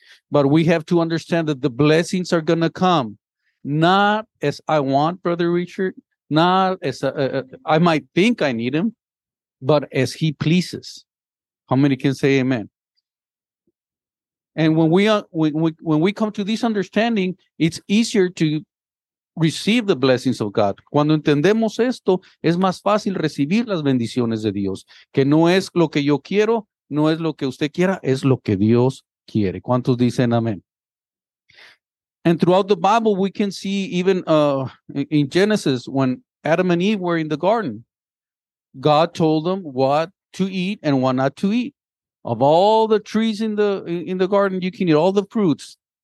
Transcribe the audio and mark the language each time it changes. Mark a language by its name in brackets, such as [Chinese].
[English] But we have to understand that the blessings are going to come not as I want, Brother Richard, not as I might think I need him, but as he pleases. How many can say amen? And when we come to this understanding, it's easier to receive the blessings of God. [Spanish] Cuando entendemos esto, es más fácil recibir las bendiciones de Dios. Que no es lo que yo quiero, no es lo que usted quiera, es lo que Dios quiere. ¿Cuántos dicen amén? [English] And throughout the Bible, we can see even in Genesis, when Adam and Eve were in the garden, God told them what to eat and what not to eat. Of all the trees in the garden, you can eat all the fruits.